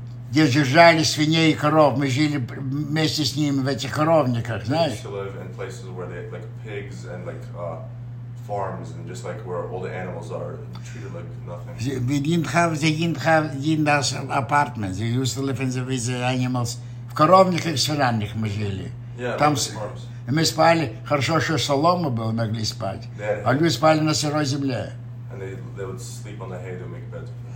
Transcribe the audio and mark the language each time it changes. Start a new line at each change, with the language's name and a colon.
Russian: Где держали свиней и коров. Мы жили вместе с ними в этих коровниках, знаешь?
English: They used to live in places where they had like pigs and like farms and just like where all the animals are treated like nothing. They didn't have apartments. They used to live in with the animals.
Russian: В коровниках и свиранях мы жили.
English: Yeah,
Russian: там
English: like farms.
Russian: И мы спали. Хорошо, что солома была, могли спать.
English: Yeah.
Russian: А люди спали на сырой земле.
English: And they would sleep on the hay to make beds.